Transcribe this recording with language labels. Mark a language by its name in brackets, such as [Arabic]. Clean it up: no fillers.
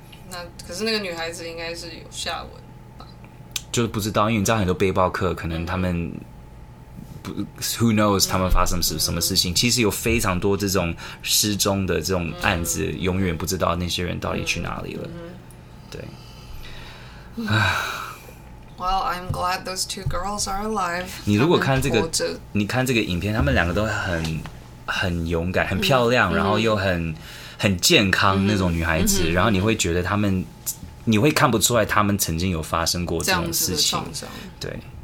[Chinese] 那可是那个女孩子应该是有下文吧，就是不知道，因为你知道很多背包客可能他们 [English] Who knows [Chinese] 他们发生什么事情，其实有非常多这种失踪的这种案子，永远不知道那些人到底去哪里了。对。 [English] Well, I'm glad those two girls are alive. [Chinese] 你如果看这个，你看这个影片，他们两个都很勇敢，很漂亮，然后又很健康那种女孩子，然后你会觉得他们，你会看不出来他们曾经有发生过这种事情。对。